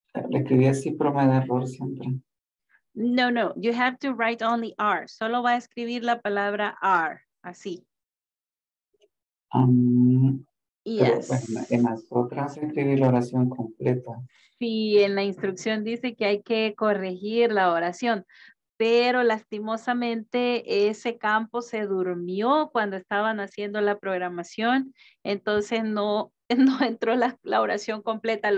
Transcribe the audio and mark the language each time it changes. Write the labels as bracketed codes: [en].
[es] Le quería así, pero me da error siempre. [en] No, no, you have to write only R. [es] Solo va a escribir la palabra R, así. [en] Yes. [es] Pero, en las otras, escribir la oración completa. Sí, en la instrucción dice que hay que corregir la oración, pero lastimosamente ese campo se durmió cuando estaban haciendo la programación, entonces no entró la oración completa.